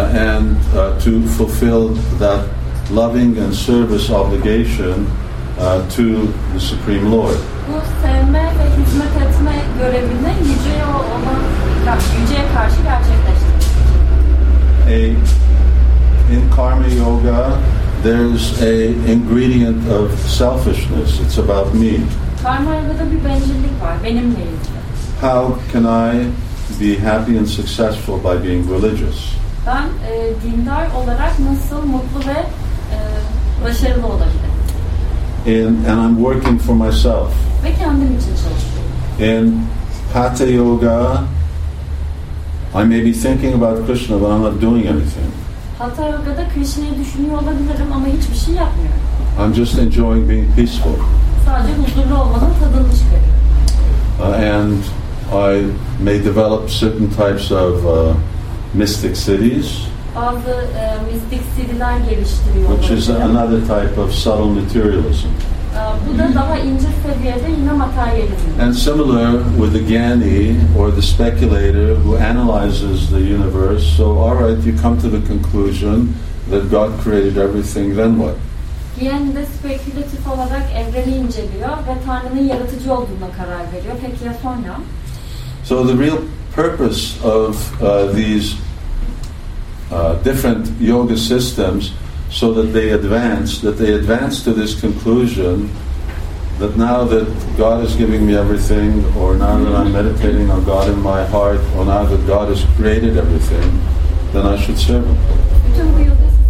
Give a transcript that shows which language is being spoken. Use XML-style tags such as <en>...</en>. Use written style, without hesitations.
<en>And to fulfill that loving and service obligation to the Supreme Lord.</en> <tr>Bu sevme ve hizmet etme görevini yüceye karşı gerçekleştirir.</tr> <en>In karma yoga, there's a ingredient of selfishness. It's about me.</en> <tr>Karma'da bir bencillik var, benimle ilgili.</tr> <en>How can I be happy and successful by being religious?</en> <tr>Ben dindar olarak nasıl mutlu ve başarılı olabilirim?</tr> <en>And I'm working for myself.</en> <tr>Ve kendim için çalışıyorum.</tr> <en>In Hatha Yoga, I may be thinking about Krishna, but I'm not doing anything.</en> <tr>Hatha Yoga'da Krishna'yı düşünüyor olabilirim ama hiçbir şey yapmıyorum.</tr> <en>I'm just enjoying being peaceful. And I may develop certain types of mystic cities, which is another type of subtle materialism. And similar with the gyani or the speculator who analyzes the universe. So, all right, you come to the conclusion that God created everything, then what?</en> <tr>Yani de spekülatif olarak evreni inceliyor ve Tanrı'nın yaratıcı olduğuna karar veriyor. Peki ya sonra?</tr> <en>So the real purpose of these different yoga systems, so that they advance, to this conclusion that now that God is giving me everything, or now that I'm meditating on God in my heart, or now that God has created everything, then I should serve Him.</en>